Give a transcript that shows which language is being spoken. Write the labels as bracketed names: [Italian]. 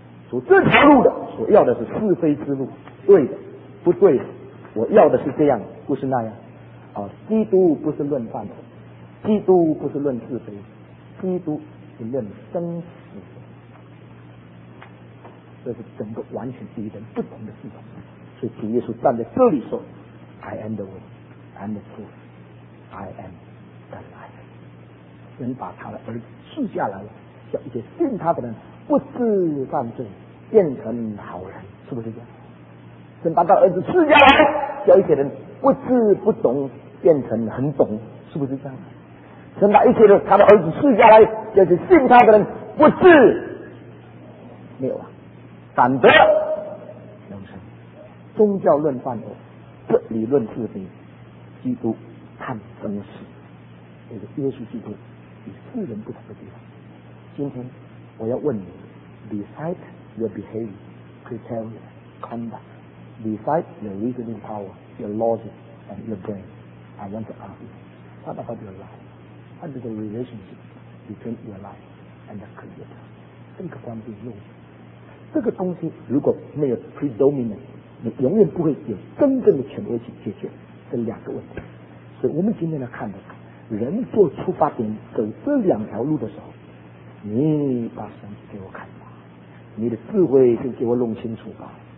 [Chinese] 走这条路的所要的是是非之路，对的不对的，我要的是这样不是那样。而基督不是论善恶，基督不是论是非，基督是论生死。这是整个完全与人不同的系统。所以主耶稣站在这里说 [English] I am the way, I am the truth, I am the life。 [Chinese] 神把他的儿子赐下来了，叫一些信他的人不自犯罪变成好人，是不是这样？神把他的儿子赐下来，叫一些人不知不懂变成很懂，是不是这样？神把一切的他的儿子赐下来，就是信他的人不知没有啊，反得永生。宗教论范畴，这理论是非，基督看真实，这个耶稣基督与世人不同的地方。今天我要问你 [English] ，decide your behavior, criteria, conduct, decide your reasoning power, your logic, and your brain. I want to ask you, what about your life? What is the relationship between your life and the Creator? Think about the rules. [Chinese] 这个东西如果没有 predominant, 你永远不会有真正的权威去解决这两个问题。所以我们今天来看的是，人做出发点走这两条路的时候，你把神给我看吧，你的智慧就给我弄清楚吧。